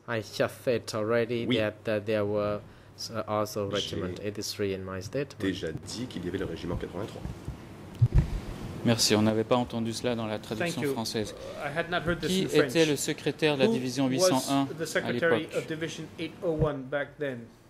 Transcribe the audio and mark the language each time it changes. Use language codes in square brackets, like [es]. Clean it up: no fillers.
[en] I have said already that there were also regiment 83 in my statement. [fr] Déjà dit qu'il y avait le régiment 83. Merci, on n'avait pas entendu cela dans la traduction française. [en] I had not heard this [fr] qui [en] in French. [fr] Était le secrétaire de la division 801 [en] Who was the secretary of division 801 back then?